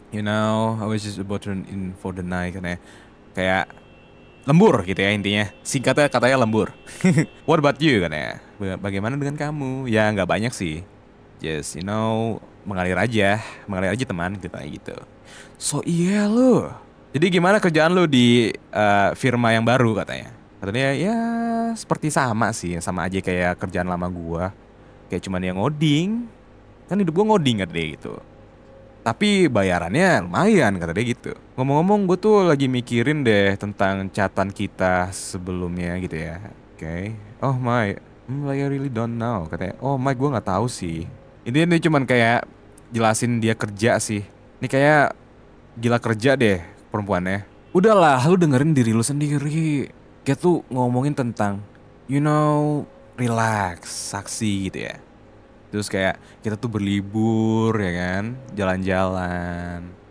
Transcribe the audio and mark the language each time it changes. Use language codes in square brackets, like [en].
[en] You know, I was just about to turn in for the night, [id] katanya. Kayak lembur, gitu ya, intinya. Singkatnya, katanya lembur. [en] What about you, [id] katanya. Bagaimana dengan kamu? Ya, nggak banyak sih. [en] Just, you know, [id] mengalir aja, teman, katanya gitu. So, iya, lo. Jadi gimana kerjaan lu di firma yang baru katanya? Katanya ya seperti sama sih, sama aja kayak kerjaan lama gua. Kayak cuman yang ngoding. Kan hidup gua ngoding katanya gitu. Tapi bayarannya lumayan katanya gitu. Ngomong-ngomong gua tuh lagi mikirin deh tentang catatan kita sebelumnya gitu ya. Okay. [en] Oh my, like I really don't know [id] katanya. Oh my, gua gak tahu sih. Ini cuman kayak jelasin dia kerja sih. Ini kayak gila kerja deh perempuannya. Udahlah, lu dengerin diri lu sendiri. Kayak tuh ngomongin tentang, [en] you know, relax, [id] saksi gitu ya. Terus kayak kita tuh berlibur ya kan, jalan-jalan.